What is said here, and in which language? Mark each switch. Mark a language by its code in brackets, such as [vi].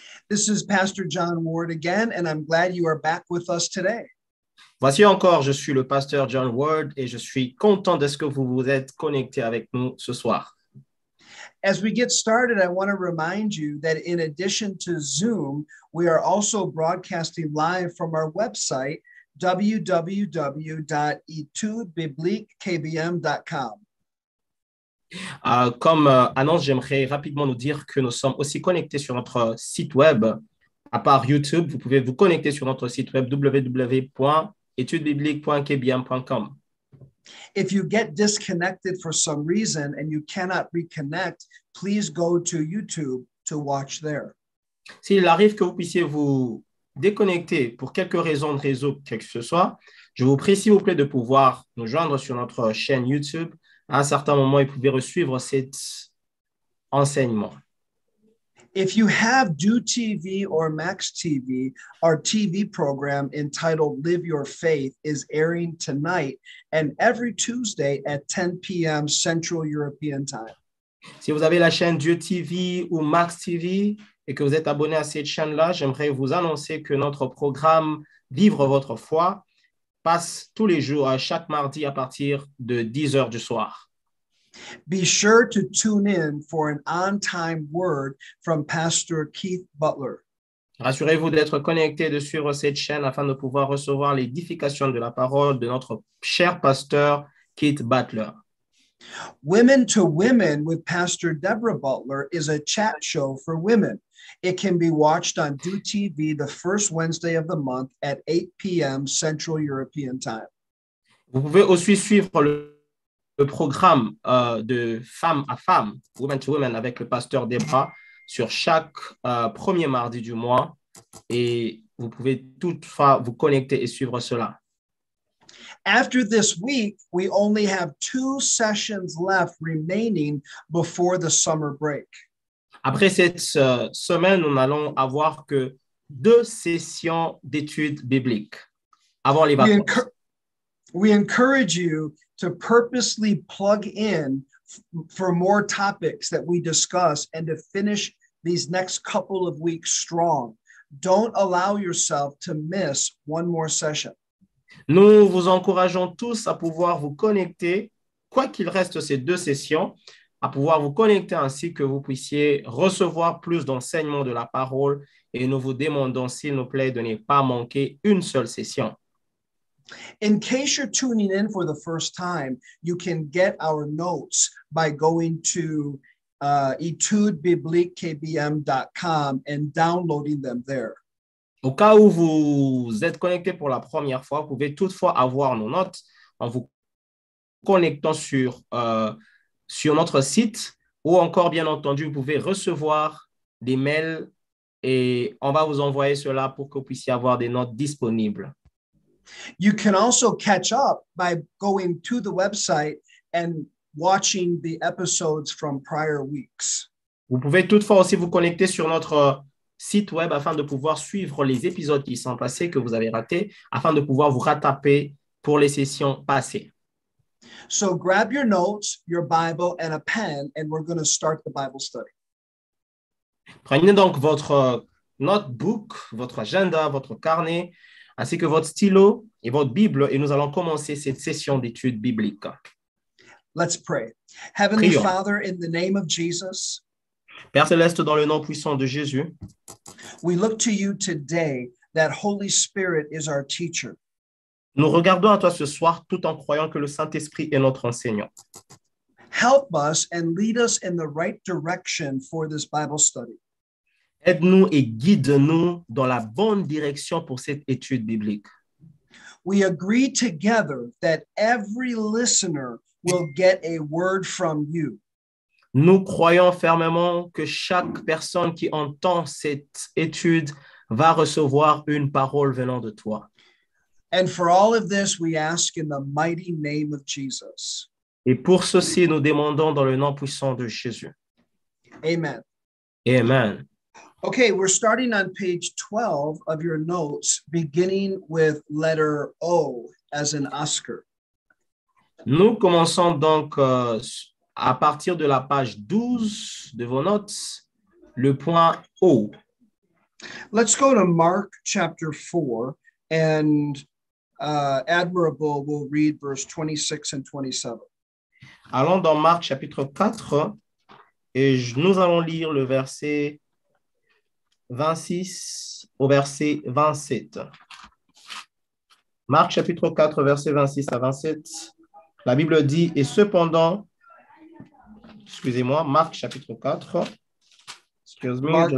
[en] This is Pastor John Ward again, and I'm glad you are back with us today. [fr] Voici encore, je suis le pasteur John Ward, et je suis content de ce que vous vous êtes connecté avec nous ce soir. [en] As we get started, I want to remind you that in addition to Zoom, we are also broadcasting live from our website, www.etudebibliquekbm.com. [fr] Comme annonce, j'aimerais rapidement nous dire que nous sommes aussi connectés sur notre site web. À part YouTube, vous pouvez vous connecter sur notre site web www.etudebiblique.kbm.com. [en] If you get disconnected for some reason and you cannot reconnect, please go to YouTube to watch there. [fr] S'il arrive que vous puissiez vous déconnecter pour quelque raison de réseau, quel que ce soit, je vous prie s'il vous plaît de pouvoir nous joindre sur notre chaîne YouTube. À un certain moment, ils pouvaient recevoir cet enseignement. [en] If you have Do TV or Max TV, our TV program entitled Live Your Faith is airing tonight and every Tuesday at 10 p.m. Central European Time. [fr] Si vous avez la chaîne Do TV ou Max TV et que vous êtes abonné à cette chaîne-là, j'aimerais vous annoncer que notre programme Vivre votre foi passe tous les jours, chaque mardi à partir de 10 heures du soir. [en] Be sure to tune in for an on-time word from Pastor Keith Butler. [fr] Rassurez-vous d'être connecté et de suivre cette chaîne afin de pouvoir recevoir l'édification de la parole de notre cher pasteur Keith Butler. [en] Women to Women with Pastor Deborah Butler is a chat show for women. It can be watched on Do TV the first Wednesday of the month at 8 p.m. Central European Time. [fr] Vous pouvez aussi suivre le programme de Femme à Femme, Women to Women, avec le pasteur Debra sur chaque premier mardi du mois. Et vous pouvez toutefois vous connecter et suivre cela. [en] After this week, we only have two sessions left remaining before the summer break. [fr] Après cette semaine, nous n'allons avoir que deux sessions d'études bibliques avant les vacances. [en] We encourage you to purposely plug in for more topics that we discuss and to finish these next couple of weeks strong. Don't allow yourself to miss one more session. [fr] Nous vous encourageons tous à pouvoir vous connecter, quoi qu'il reste ces deux sessions, à pouvoir vous connecter ainsi que vous puissiez recevoir plus d'enseignements de la parole et nous vous demandons, s'il nous plaît, de ne pas manquer une seule session. [en] In case you're tuning in for the first time, you can get our notes by going to etudebibliquekbm.com and downloading them there. [fr] Au cas où vous êtes connecté pour la première fois, vous pouvez toutefois avoir nos notes en vous connectant sur notre site ou encore, bien entendu, vous pouvez recevoir des mails et on va vous envoyer cela pour que vous puissiez avoir des notes disponibles. [en] You can also catch up by going to the website and watching the episodes from prior weeks. [fr] Vous pouvez toutefois aussi vous connecter sur notre site web afin de pouvoir suivre les épisodes qui sont passés, que vous avez ratés, afin de pouvoir vous rattraper pour les sessions passées. [en] So grab your notes, your Bible, and a pen, and we're going to start the Bible study. [fr] Prenez donc votre notebook, votre agenda, votre carnet, ainsi que votre stylo et votre Bible, et nous allons commencer cette session d'études bibliques. [en] Let's pray. Heavenly Prions. Father, in the name of Jesus, [fr] Père Céleste, dans le nom puissant de Jésus, [en] we look to you today that Holy Spirit is our teacher. [fr] Nous regardons à toi ce soir tout en croyant que le Saint-Esprit est notre enseignant. [en] Help us and lead us in the right direction for this Bible study. [fr] Aide-nous et guide-nous dans la bonne direction pour cette étude biblique. [en] We agree together that every listener will get a word from you. [fr] Nous croyons fermement que chaque personne qui entend cette étude va recevoir une parole venant de toi. [en] And for all of this, we ask in the mighty name of Jesus. [fr] Et pour ceci, nous demandons dans le nom puissant de Jésus. [en] Amen. [fr] Amen. [en] Okay, we're starting on page 12 of your notes, beginning with letter O, as in Oscar. [fr] Nous commençons donc à partir de la page 12 de vos notes, le point O. [en] Let's go to Mark chapter 4 and Admirable will read verse 26 and 27. [fr] Allons dans Marc chapitre 4 et nous allons lire le verset 26 au verset 27. Marc chapitre 4 verset 26 à 27. La Bible dit, et cependant, excusez-moi, Marc chapitre 4, [en] excuse me,